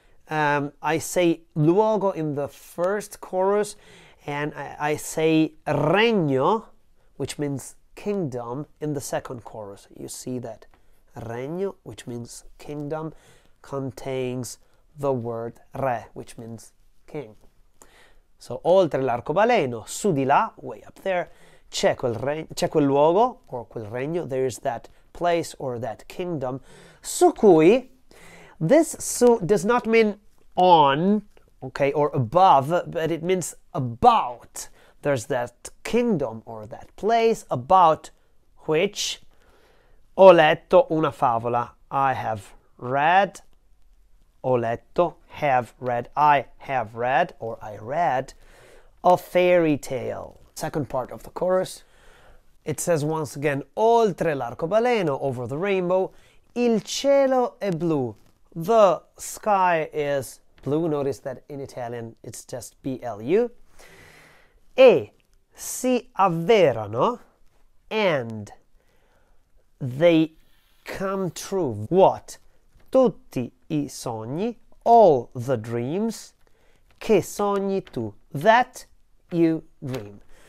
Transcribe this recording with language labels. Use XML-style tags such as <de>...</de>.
<en>I say luogo in the first chorus, and I say regno, which means kingdom, in the second chorus. You see that regno, which means kingdom, contains the word re, which means king. So</en> <it>oltre l'arcobaleno, su di là,</it> <en>way up there,</en> <it>c'è quel luogo,</it> <en>or</en> <it>quel regno,</it> <en>there is that place or that kingdom,</en> <it>su cui.</it> <en>This su does not mean on, okay, or above, but it means about. There's that kingdom or that place about which.</en> <it>Ho letto una favola.</it> <en>I have read.</en> <it>Ho letto,</it> <en>have read. I have read, or I read, a fairy tale. Second part of the chorus. It says once again,</en> <it>oltre l'arcobaleno,</it> <en>over the rainbow,</en> <it>il cielo è blu.</it> <en>The sky is blue. Notice that in Italian it's just B-L-U.</en> <it>E si avverano,</it> <en>and they come true. What?</en> <it>Tutti i sogni,</it> <en>all the dreams,</en> <it>che sogni tu,</it> <en>that you dream.</en>